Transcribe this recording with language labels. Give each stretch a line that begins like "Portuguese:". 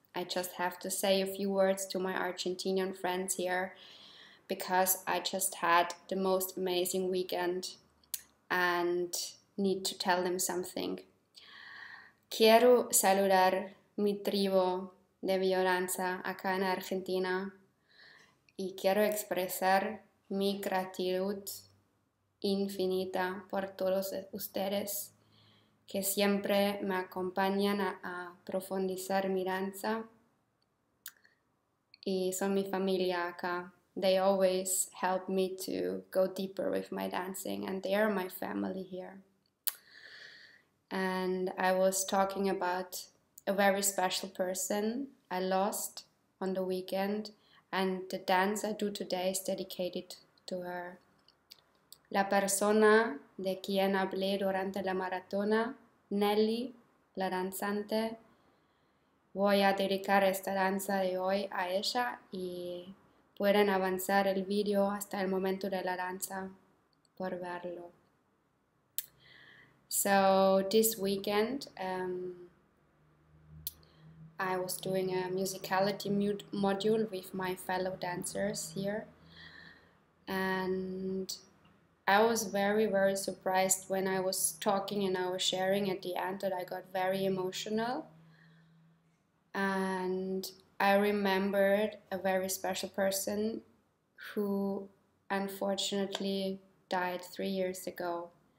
English: I just have to say a few words to my Argentinian friends here because I just had the most amazing weekend and need to tell them something.
Spanish: Quiero saludar mi tribu de Violanza acá en Argentina y quiero expresar mi gratitud infinita por todos ustedes que siempre me acompañan a profundizar mi danza y son mi familia acá.
English: They always help me to go deeper with my dancing and they are my family here. And I was talking about a very special person I lost on the weekend, and the dance I do today is dedicated to her.
Spanish: La persona de quien hablé durante la maratona, Nelly, la danzante, voy a dedicar esta danza de hoy a ella y pueden avanzar el video hasta el momento de la danza por verlo.
English: So this weekend I was doing a musicality module with my fellow dancers here, and I was very, very surprised when I was talking and I was sharing at the end that I got very emotional, and I remembered a very special person who unfortunately died 3 years ago.